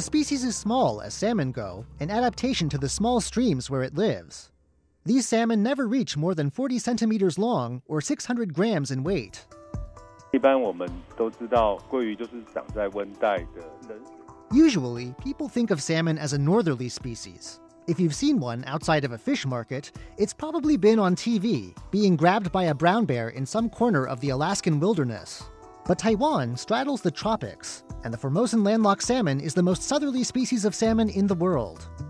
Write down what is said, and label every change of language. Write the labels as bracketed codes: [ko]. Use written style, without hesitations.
[en] species is small as salmon go, an adaptation to the small streams where it lives. These salmon never reach more than 40 centimeters long or 600 grams in weight. [zh] 一般我们都知道，鲑鱼就是长在温带的。Usually, [en] people think of salmon as a northerly species. If you've seen one outside of a fish market, it's probably been on TV, being grabbed by a brown bear in some corner of the Alaskan wilderness. But Taiwan straddles the tropics, and the Formosan landlocked salmon is the most southerly species of salmon in the world.